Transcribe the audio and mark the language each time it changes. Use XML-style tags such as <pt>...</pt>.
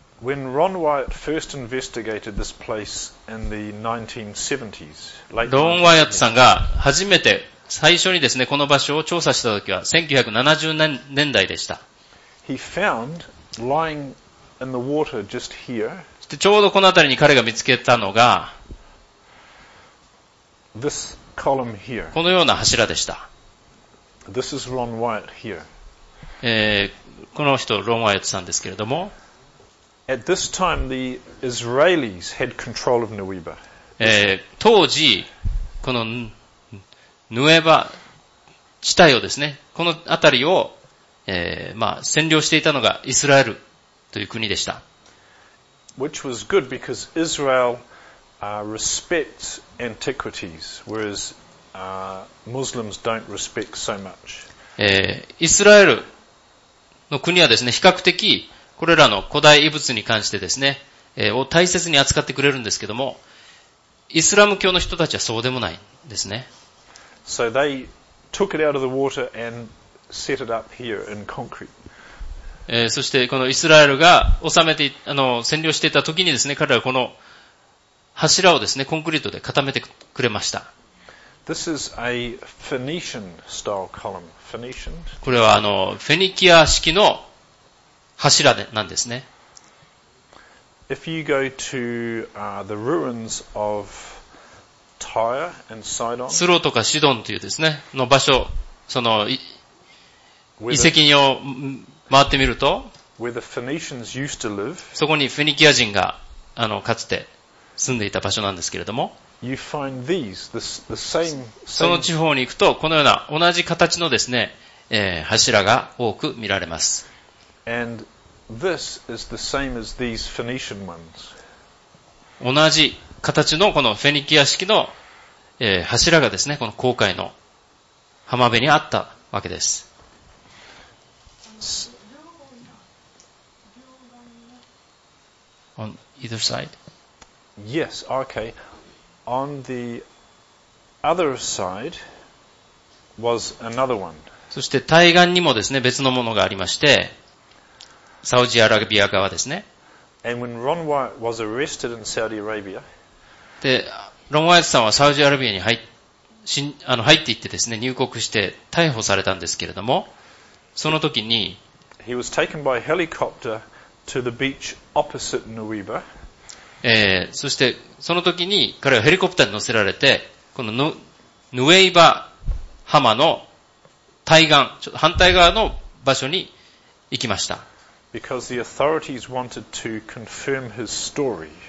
<en>When Ron Wyatt first investigated this place in the 1970s, late 1970s,</en> <ja>Ron Wyatt さんが初めて最初にですねこの場所を調査した時は1970年代でした。</ja> <en>He found lying in the water just here.</en> <ja>ちょうどこの辺りに彼が見つけたのが</ja> <en>this column here.</en> <ja>このような柱でした。</ja> <en>This is Ron Wyatt here.</en> <ja>この人ロン・ワイエットさんですけれども。</ja> <en>At this time, the Israelis had control of Nineveh.</en> <ja>当時このヌエバ地帯をですね、この辺りを、まあ、占領していたのがイスラエルという国でした。</ja> <en>Which was good because Israel, respects antiquities, whereas, Muslims don't respect so much.</en> <ja>イスラエルの国はですね、比較的これらの古代遺物に関してですね、を大切に扱ってくれるんですけども、イスラム教の人たちはそうでもないんですね。</ja> <en>So they took it out of the water and set it up here in concrete.</en> <ja>そしてこのイスラエルが治めて、あの、占領していた時にですね、彼らはこの柱をですね、コンクリートで固めてくれました。</ja> <en>This is a Phoenician style column. Phoenician.</en> <ja>これはあの、フェニキア式の柱なんですね。</ja> <en>If you go to, the ruins of Tyre and Sidon,</en> <ja>スロとかシドンというですね、の場所、その、遺跡を回ってみると、</ja> <en>where the Phoenicians used to live,</en> <ja>そこにフェニキア人が、あの、かつて住んでいた場所なんですけれども、</ja> <en>you find these, the same,</en> <ja>その地方に行くと、このような同じ形のですね、柱が多く見られます。</ja> <en>And this is the same as these Phoenician ones.</en> <ja>同じ形のこのフェニキア式の柱がですね、この航海の浜辺にあったわけです。</ja> <en>On either side? Yes, okay. On the other side was another one.</en> <ja>そして対岸にもですね、別のものがありまして、サウジアラビア側ですね。</ja> <en>And when Ron Wyatt was arrested in Saudi Arabia,</en> <ja>で、ロン・ワイエットさんはサウジアラビアに入っていってですね、入国して逮捕されたんですけれども、その時に、</ja> <en>He was taken by helicopter to the beach opposite Nineveh.</en> <ja>そして、その時に彼はヘリコプターに乗せられて、このヌエイバ浜の対岸、反対側の場所に行きました。</ja> <en>Because the authorities wanted to confirm his story.</en>